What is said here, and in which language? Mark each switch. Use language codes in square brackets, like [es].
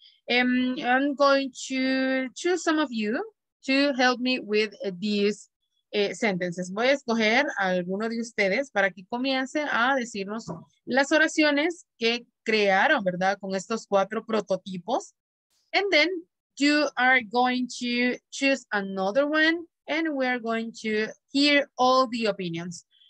[en] I'm going to choose some of you to help me with these sentences. [es] Voy a escoger a alguno de ustedes para que comience a decirnos las oraciones que crearon, ¿verdad?, con estos cuatro prototipos. [en] And then you are going to choose another one and we are going to hear all the opinions.